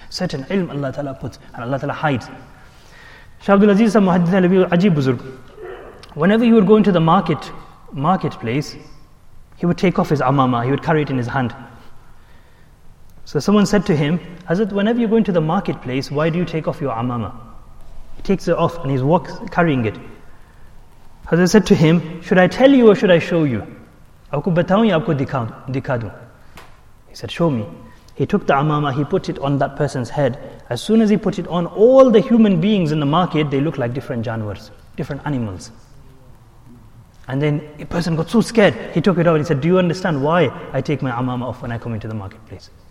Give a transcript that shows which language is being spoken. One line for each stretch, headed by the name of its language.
English: Certain ilm Allah ta'ala puts and Allah ta'ala hides. Shah Abdul Aziz al Muhaddith al-Abi Ajib Buzurg, whenever he would go into the marketplace, he would take off his amama, he would carry it in his hand. So someone said to him, Hazrat, whenever you go into the marketplace, why do you take off your amama? He takes it off and he walks carrying it. Hazrat said to him, should I tell you or should I show you?
Urdu: آپکو بتاؤں یا آپکو دکھادوں؟
English: He said, show me. He took the amama, he put it on that person's head. As soon as he put it on, all the human beings in the market, they look like different janwars, different animals. And then a person got so scared, he took it off and he said, do you understand why I take my amama off when I come into the marketplace?